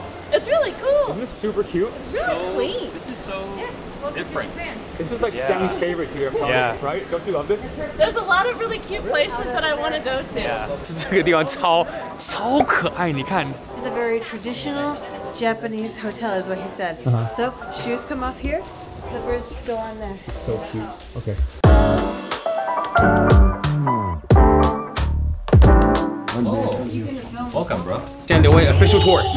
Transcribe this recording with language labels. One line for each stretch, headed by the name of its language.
English: This is super cute. Really clean. This is so different. This is like Stanley's favorite, you have told me, right? Don't you love this? There's a lot of really cute places that I want to go to. Yeah.
Chinese: 这个地方超超可爱，你看。
English: It's a very traditional Japanese hotel, is what he said. Uh-huh. So shoes come off here, slippers go on there. So cute. Okay. Oh, you can film. Welcome, bro.
Chinese: 现在刘威
English: official tour.